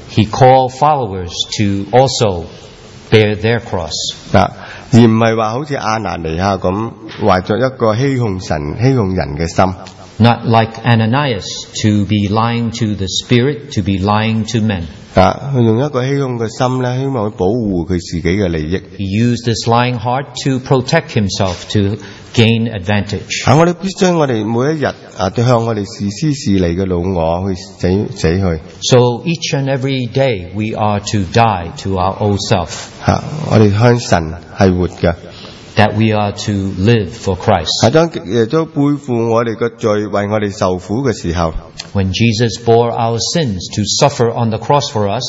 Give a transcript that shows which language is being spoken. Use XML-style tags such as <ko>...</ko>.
<en>he called followers to also bear their cross.</en> <zh>而不是像亚拿尼亚那样怀着一个欺哄神欺哄人的心,</zh> <en>not like Ananias to be lying to the spirit, to be lying to men.</en> <zh>他用一个欺哄的心希望保护他自己的利益,</zh> <en>he used this lying heart to protect himself, to gain advantage.</en> <zh>我们必须将我们每一天对向我们时思时利的老我去死去,</zh> <en>so each and every day we are to die to our old self.</en> <zh>我们向神是活的,</zh> <en>that we are to live for Christ.</en> <zh>当耶稣背负我们的罪为我们受苦的时候,</zh> <en>when Jesus bore our sins to suffer on the cross for us,</en>